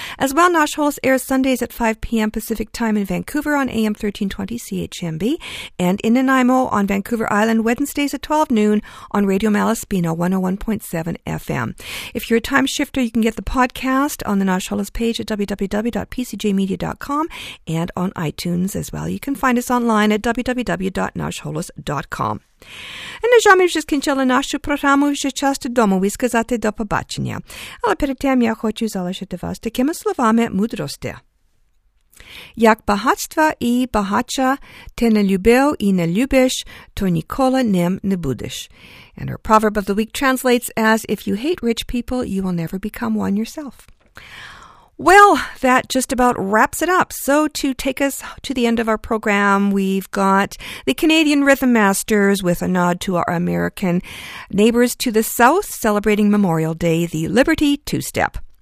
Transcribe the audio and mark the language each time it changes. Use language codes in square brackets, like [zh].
[en] As well, Nash Holos airs Sundays at 5 p.m. Pacific Time in Vancouver on AM 1320 CHMB and in Nanaimo on Vancouver Island Wednesdays at 12 noon on Radio Malaspina 101.7 FM. If you're a time shifter, you can get the podcast on the Nash Holos page at www.pcjmedia.com and on iTunes as well. You can find us online at www.nashholos.com. [uk] І на жаль, ми вже скінчили нашу програму, вже час додому і сказати до побачення. Але перед тим я хочу залишити вас такими словами мудрості. Як багатства і багача ти не любив і не любиш, то ніколи ним не будеш. [en] And our proverb of the week translates as, if you hate rich people, you will never become one yourself. Well, that just about wraps it up. So to take us to the end of our program, we've got the Canadian Rhythm Masters with a nod to our American neighbors to the south celebrating Memorial Day, the Liberty Two-Step.